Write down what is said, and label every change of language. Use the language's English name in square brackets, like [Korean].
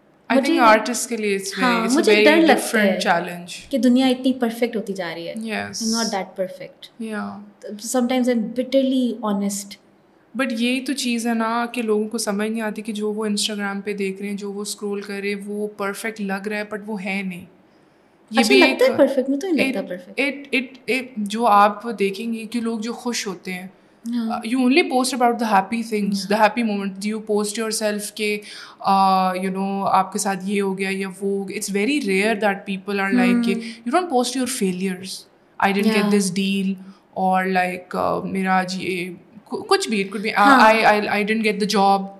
[English] I think artists [Hindi] के लिए [English] it's a very different challenge. [Hindi] कि दुनिया इतनी perfect होती जा रही है. [English] Yes. I'm not that perfect. Yeah. Sometimes I'm bitterly honest. [Hindi] But ये तो चीज़ है ना कि लोगों को समझ नहीं आती कि जो वो Instagram पे देख रहे हैं, जो वो scroll कर रहे हैं, वो perfect लग रहा है, [English] but [Hindi] वो है नहीं. ये भी लगता है perfect, मुझे तो नहीं लगता perfect. [English] It [Hindi] जो आप देखेंगे कि लोग जो खुश होते हैं. [English] You only post about the happy things, the happy moment. Do you post yourself के you know [Hindi] आपके साथ ये हो गया या वो [English] it's very rare that people are like you don't post your failures. I didn't get this deal or like [Hindi] मेरा आज ये कुछ भी [English] it could be I didn't get the job.